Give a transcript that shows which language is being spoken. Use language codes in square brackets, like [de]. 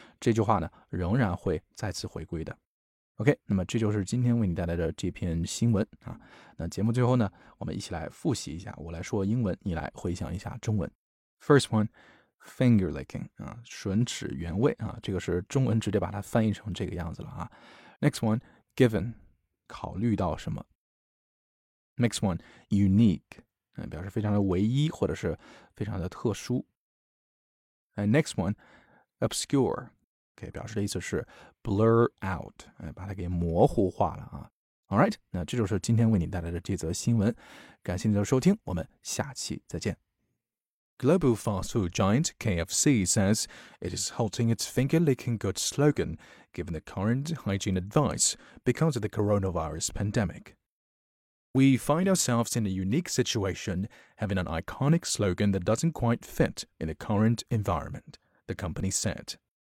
[zh] 这句话呢仍然会再次回归的。OK， 那么这就是今天为你带来的这篇新闻啊。那节目最后呢，我们一起来复习一下，我来说英文，你来回想一下中文。 First one， finger licking 啊，唇齿原味啊，这个是中文直接把它翻译成这个样子了啊。 Next one， given， 考虑到什么。 Next one， unique， 嗯、啊，表示非常的唯一或者是非常的特殊。 And next one， obscure。 Okay, 表示的意思是 blur out、哎、把它给模糊化了啊。 Alright, 那这就是今天为你带来的这则新闻。感谢你的收听，我们下期再见。 [en] Global fast food giant KFC says it is halting its finger licking good slogan given the current hygiene advice because of the coronavirus pandemic. We find ourselves in a unique situation having an iconic slogan that doesn't quite fit in the current environment, the company said.